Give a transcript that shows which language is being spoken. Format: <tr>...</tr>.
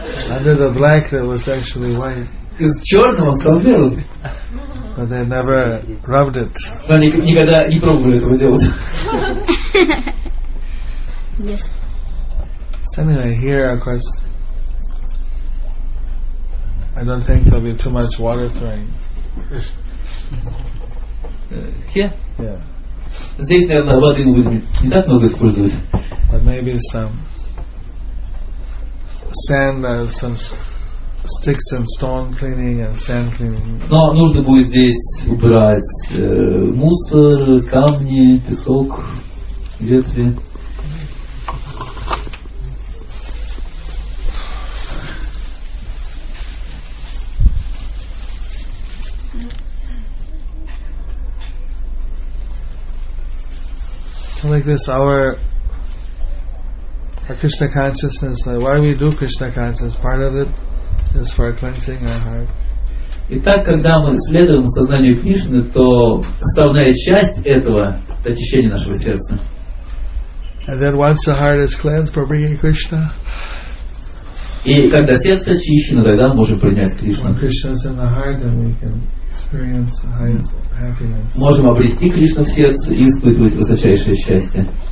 <en>Under the black, that was actually white.</en> <ru>Из черного стал белым.</ru> <en>But they never rubbed it.</en> <ru>Но они никогда не пробовали этого делать.</ru> <en>Yes. So anyway, here, of course, I don't think there'll be too much water throwing. Here? Yeah.</en> <ru>Здесь, наверное, воды не будет не так много использовать.</ru> <en>But maybe some sand, some sticks and stone cleaning and sand cleaning.</en> <ru>Но нужно будет здесь убирать мусор, камни, песок, ветви.</ru> <en>So like this, our Krishna consciousness, like why we do Krishna consciousness, part of it is for cleansing our heart.</en> <ru>Итак, когда мы следуем сознанию Кришны, то составная часть этого это очищение нашего сердца.</ru> <en>And then once the heart is cleansed for bringing Krishna.</en> <ru>И когда сердце очищено, тогда мы можем принять Кришну.</ru> <en>When Krishna is in the heart, then we can experience the highest happiness.</en> <ru>Можем обрести Кришну в сердце и испытывать высочайшее счастье.</ru>